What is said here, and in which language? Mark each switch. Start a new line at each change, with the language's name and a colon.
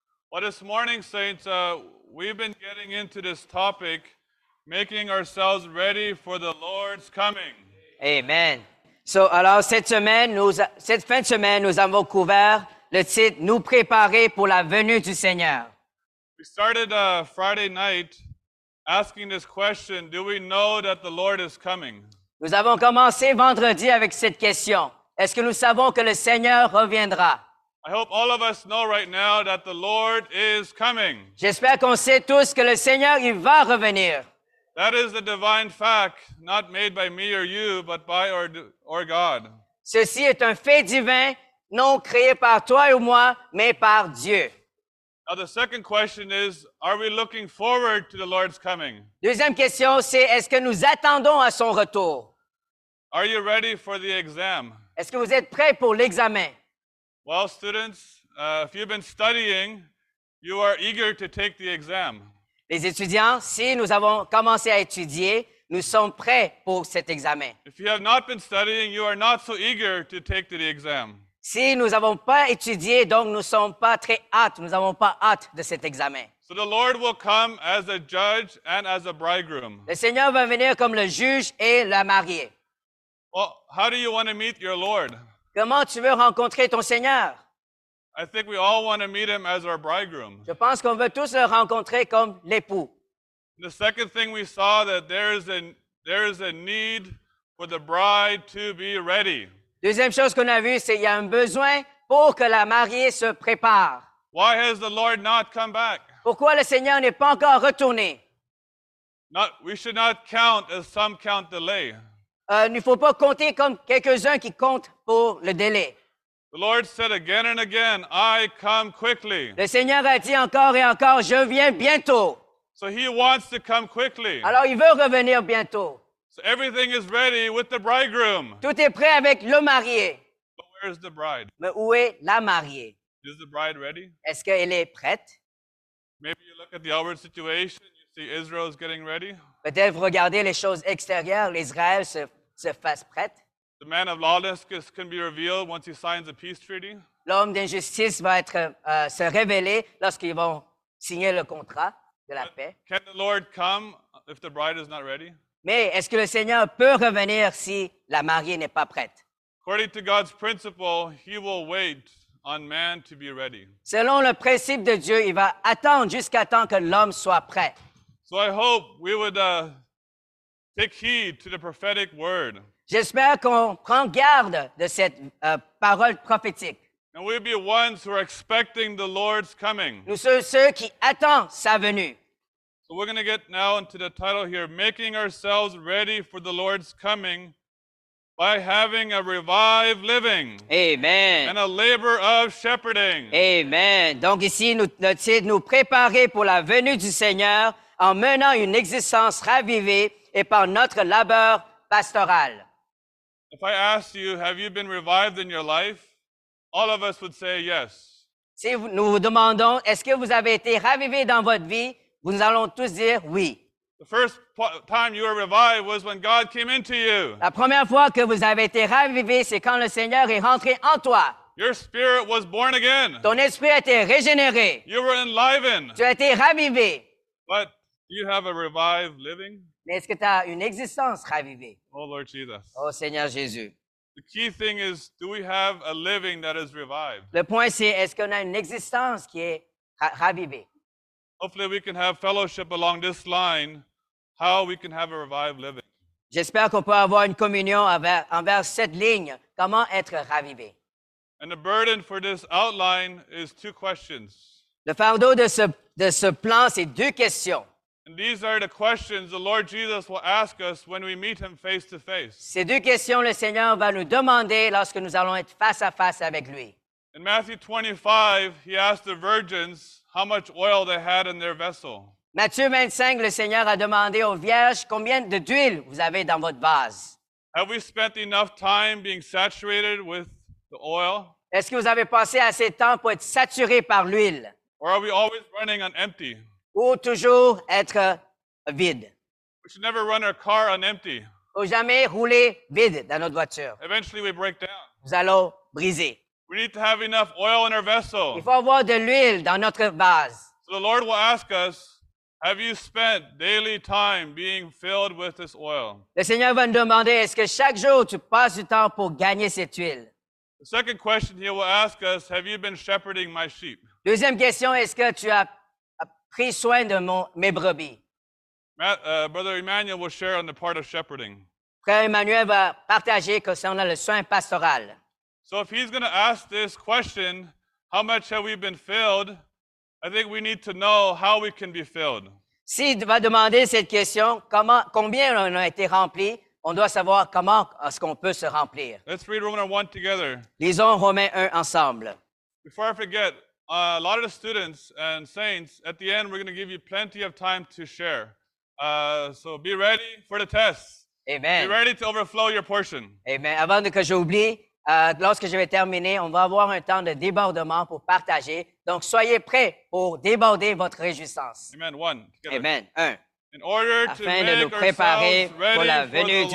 English: Well, this morning, saints, we've been getting into this topic, making ourselves ready for the Lord's coming. Amen.
French: So, alors, cette fin de semaine, nous avons couvert le titre « Nous préparer pour la venue du Seigneur ».
English: We started Friday night asking this question, do we know that the Lord is coming?
French: Nous avons commencé vendredi avec cette question. Est-ce que nous savons que le Seigneur reviendra?
English: I hope all of us know right now that the Lord is coming.
French: J'espère qu'on sait tous que le Seigneur, il va revenir.
English: That is the divine fact, not made by me or you, but by our God.
French: Ceci est un fait divin, non créé par toi ou moi, mais par Dieu.
English: Now the second question is, are we looking forward to the Lord's coming?
French: Deuxième question, c'est est-ce que nous attendons à son retour?
English: Are you ready for the exam?
French: Est-ce que vous êtes prêt pour l'examen?
English: Well, students, if you've been studying, you are eager to take the exam.
French: Les étudiants, si nous avons commencé à étudier, nous sommes prêts pour cet examen.
English: If you have not been studying, you are not so eager to take the exam.
French: Si nous n'avons pas étudié, donc nous ne sommes pas très hâte, nous n'avons pas hâte de cet examen.
English: So the Lord will come as a judge and as a bridegroom.
French: Le Seigneur va venir comme le juge et la mariée.
English: Well, how do you want to meet your Lord?
French: Comment tu veux rencontrer ton Seigneur?
English: I think we all want to meet him as our bridegroom.
French: Je pense qu'on veut tous le rencontrer comme l'époux.
English: The second thing we saw that there is a need for the bride to be ready.
French: Deuxième chose qu'on a vu, c'est qu'il y a un besoin pour que la mariée se prépare.
English: Why has the Lord not come back?
French: Pourquoi le Seigneur n'est pas encore retourné?
English: We should not count as some count delay.
French: Il ne faut pas compter comme quelques-uns qui comptent pour le délai.
English: The Lord said again and again, I come quickly.
French: Le Seigneur a dit encore et encore, je viens bientôt.
English: So he wants to come quickly.
French: Alors il veut revenir bientôt.
English: So everything is ready with the bridegroom.
French: Tout est prêt avec le marié.
English: But where is the bride?
French: Mais où est la mariée?
English: Is the bride ready?
French: Est-ce qu'elle est prête?
English: Maybe you look at the outward situation. Israel is getting ready.
French: Peut-être vous regardez les choses extérieures, l'Israël se fasse prête.
English: The man of lawlessness can be revealed once he signs a peace treaty.
French: L'homme d'injustice va être se révéler lorsqu'ils vont signer le contrat de la paix.
English: Can the Lord come if the bride is not ready?
French: Mais est-ce que le Seigneur peut revenir si la mariée n'est pas prête?
English: According to God's principle, he will wait on man to be ready.
French: Selon le principe de Dieu, il va attendre jusqu'à temps que l'homme soit prêt.
English: So I hope we would take heed to the prophetic word.
French: J'espère qu'on prend garde de cette parole prophétique.
English: And we'd be ones who are expecting the Lord's coming.
French: Nous sommes ceux qui attendent sa venue.
English: So we're going to get now into the title here, making ourselves ready for the Lord's coming by having a revived living. Amen. And a labor of shepherding. Amen.
French: Donc ici, notre titre, nous préparer pour la venue du Seigneur, en menant une existence ravivée et par notre labeur pastoral.
English: If I asked you, have you been revived in your life? All of us would say yes.
French: Si nous vous demandons, est-ce que vous avez été ravivé dans votre vie? Nous allons tous dire oui.
English: The first time you were revived was when God came into you.
French: La première fois que vous avez été ravivé, c'est quand le Seigneur est rentré en toi.
English: Your spirit was born again.
French: Ton esprit a été régénéré.
English: You were enlivened.
French: Tu as été ravivé.
English: But do you have a revived living?
French: Mais est-ce que tu as une existence ravivée?
English: Oh Lord Jesus.
French: Oh Seigneur Jésus.
English: The key thing is, do we have a living that is revived?
French: Le point c'est, est-ce qu'on a une existence qui est ravivée?
English: Hopefully we can have fellowship along this line, how we can have a revived living.
French: J'espère qu'on peut avoir une communion envers cette ligne, comment être ravivé.
English: And the burden for this outline is two questions.
French: Le fardeau de ce plan, c'est deux questions.
English: And these are the questions the Lord Jesus will ask us when we meet him face to face.
French: Ces deux questions, le Seigneur va nous demander lorsque nous allons être face à face avec lui.
English: In Matthew 25, he asked the virgins how much oil they had in their vessel.
French: Matthieu 25, le Seigneur a demandé aux vierges combien d'huile vous avez dans votre vase.
English: Have we spent enough time being saturated with the oil?
French: Est-ce que vous avez passé assez de temps pour être saturé par l'huile?
English: Or are we always running on empty?
French: Ou toujours être vide.
English: We should never run our car on empty.
French: Ou jamais rouler vide dans notre voiture.
English: Eventually we break down.
French: Nous allons briser.
English: We need to have enough oil in our vessel.
French: Il faut avoir de l'huile dans notre vase.
English: So the Lord will ask us, have you spent daily time being filled with this oil?
French: Le Seigneur va nous demander, est-ce que chaque jour tu passes du temps pour gagner cette huile?
English: The second question he will ask us, have you been shepherding my sheep?
French: Deuxième question, est-ce que tu as pris soin de mes brebis?
English: Brother Emmanuel will share on the part of shepherding.
French: Frère Emmanuel va partager concernant le soin pastoral.
English: So if he's going to ask this question, how much have we been filled? I think we need to know how we can be filled.
French: Si il va demander cette question, combien on a été rempli, on doit savoir comment est-ce qu'on peut se remplir.
English: Let's read Romans 1 together.
French: Lisons Romains 1 ensemble.
English: Before I forget, a lot of the students and saints, at the end, we're going to give you plenty of time to share. So be ready for the test. Amen. Be ready to overflow your portion. Amen.
French: Avant que j'oublie, lorsque je vais terminer, on va avoir un temps de débordement pour partager. Donc, soyez prêts pour déborder votre réjouissance.
English: Amen. One. Together.
French: Amen. Un.
English: In order to
French: afin
English: make
French: de nous préparer pour la venue du